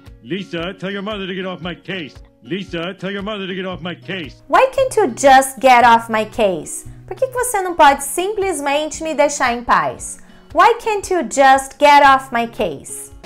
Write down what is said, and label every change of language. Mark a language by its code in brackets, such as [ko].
[en] Lisa, tell your mother to get off my case. Lisa, tell your mother to get off my case. Why can't you just get off my case? [pt] Por que você não pode simplesmente me deixar em paz? [en] Why can't you just get off my case?